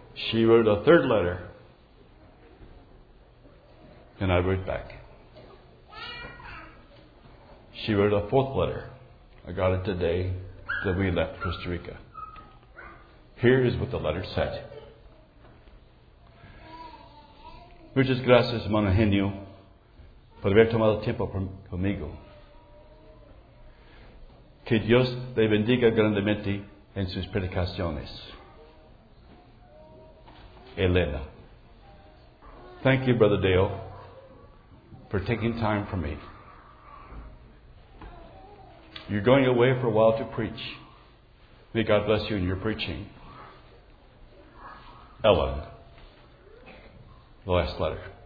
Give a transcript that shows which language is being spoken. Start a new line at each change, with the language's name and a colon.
English: She wrote a third letter, and I wrote back. She wrote a fourth letter. I got it the day that we left Costa Rica. Here is what the letter said.
Spanish: Muchas gracias, mano genio, por haber tomado tiempo conmigo. Que Dios te bendiga grandemente en sus predicaciones. Elena.
English: Thank you, Brother Dale, for taking time for me. You're going away for a while to preach. May God bless you in your preaching. Ellen. The last letter.